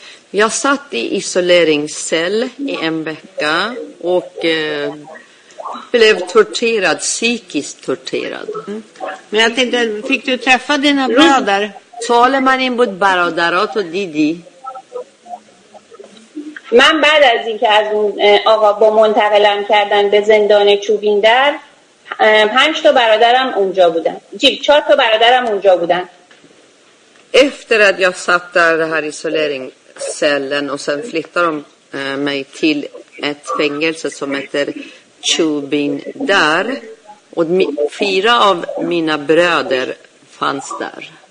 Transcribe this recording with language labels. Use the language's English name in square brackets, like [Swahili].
[Swedish] Jag satt i isoleringscell i en vecka och blev torterad, psykiskt torterad. Men jag tänkte, fick du träffa dina bröder? [Persian] سوال من این بود برادرات رو دیدی؟ من بعد از اینکه از اون آقا با منتقلم کردن به زندان چوبین در 5 تا برادرم اونجا بودن. 4 تا برادرم اونجا بودن. [Swedish] Efter att jag satt där i den här isoleringscellen och sen flyttade de mig till ett fängelse som heter Chubin där. Och fyra av mina bröder fanns där.